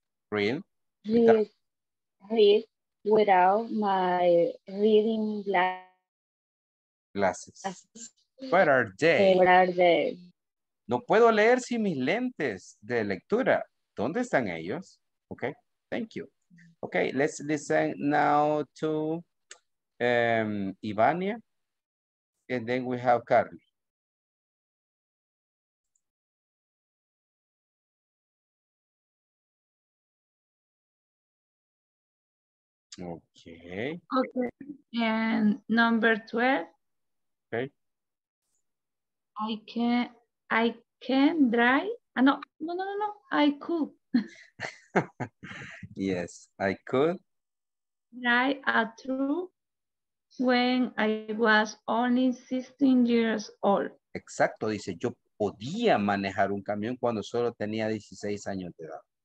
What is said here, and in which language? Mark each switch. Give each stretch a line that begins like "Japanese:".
English: Read without my reading glasses. What are they?
Spanish: No puedo leer sin mis lentes de lectura. ¿Dónde están ellos?
English: Okay, thank you. Okay, let's listen now to Ivania, and then we have Carly. Okay. Okay. And number 12. Okay. I can dry. No. I could. Yes, I could. Dry a tree when I was only 16 years old.
Spanish: Exacto, dice, yo podía manejar un camión cuando solo tenía 16 años de edad.